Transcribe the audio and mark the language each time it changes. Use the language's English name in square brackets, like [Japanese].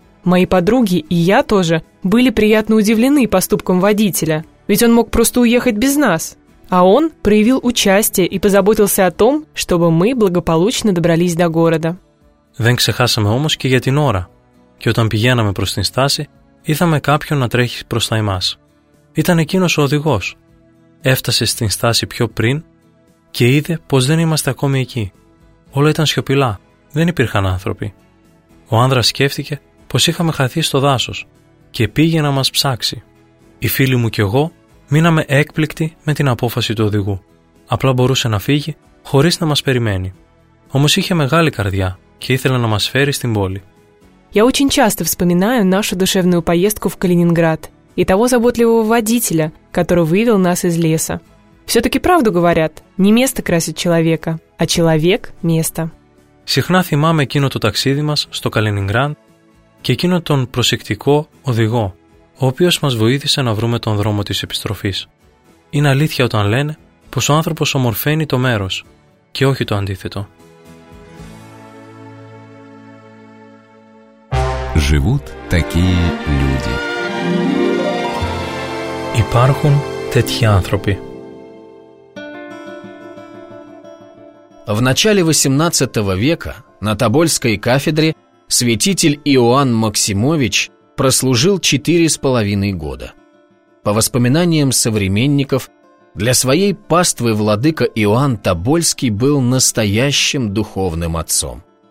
[Russian] Мои подруги и я тоже были приятно удивлены поступком водителя, ведь он мог просто уехать без нас. А он проявил участие и позаботился о том, чтобы мы благополучно добрались до города. [Greek] Δεν ξεχάσαμε όμως και για την ώρα. Και όταν πηγαίναμε προς την στάση, είδαμε κάποιον να τρέχει προς τα εμάς. Ήταν εκείνος ο οδηγός. Έφτασε στην στάση πιο πριν και είδε πως δεν είμαστε ακόμη εκεί. Όλα ήταν σιωπηλά. Δεν υπήρχαν άνθρωποι. Ο άνδρας σκέφτηκε πως είχαμε χαθεί στο δάσος και πήγε να μας ψάξει. Οι φίλοι μου και εγώ μείναμε έκπληκτοι με την απόφαση του οδηγού. Απλά μπορούσε να φύγει χωρίς να μας περιμένει. Όμως είχε μεγάλη καρδιά και ήθελε να μας φέρει στην πόλη. [Russian] Я очень часто вспоминаю нашу душевную поездку в Калининград и того заботливого водителя, который вывел нас из леса. Все-таки правду говорят, не место красит человека, а человек – место. [Greek] Συχνά θυμάμαι εκείνο το ταξίδι μας στο Καλινιγκράντ και εκείνο τον προσεκτικό οδηγό, ο οποίος μας βοήθησε να βρούμε τον δρόμο της επιστροφής. Είναι αλήθεια όταν λένε πως ο άνθρωπος ομορφαίνει το μέρος και όχι το αντίθετο. [Russian] Живут такие люди. [Greek] Υπάρχουν τέτοιοι άνθρωποι. [Russian] В начале 18 века на Тобольской кафедре святитель Иоанн Максимович прослужил 4,5 года. По воспоминаниям современников, для своей паствы владыка Иоанн Тобольский был настоящим духовным отцом.